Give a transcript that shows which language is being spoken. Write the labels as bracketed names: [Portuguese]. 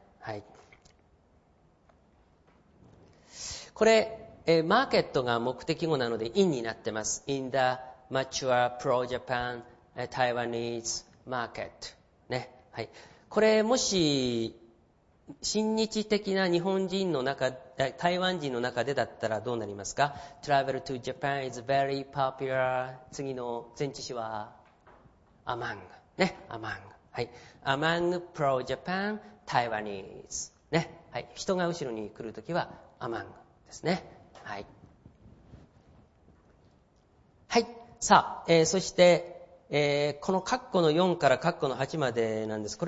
[Japanese] はい、これ、マーケットが目的語なので in になってます。 [English] in the mature pro Japan Taiwanese market、 [Japanese] ね、はい、これもし親日的な日本人の中、台湾人の中でだったらどうなりますか。 [English] Travel to Japan is very popular。 [Japanese] 次の前置詞は Among、ね、Among、はい、 [English] Among pro Japan Taiwanese、 [Japanese] ね、はい、人が後ろに来るときは Among ですね。はい、はい、さあ、そしてこの括弧の4から括弧の8までなんです。